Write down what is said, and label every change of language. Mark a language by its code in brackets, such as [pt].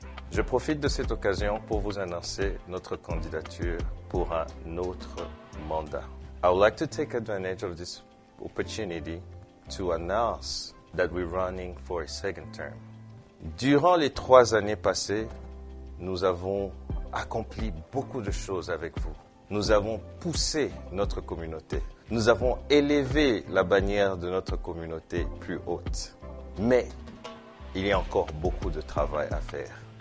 [fr] Je profite de cette occasion pour vous annoncer notre candidature pour un autre mandat. [en] I would like to take advantage of this opportunity to announce that we're running for a second term. [fr] Durant les 3 années passées, nous avons accompli beaucoup de choses avec vous. Nous avons poussé notre communauté. Nous avons élevé la bannière de notre communauté plus haute. Mais il y a encore beaucoup de travail à faire.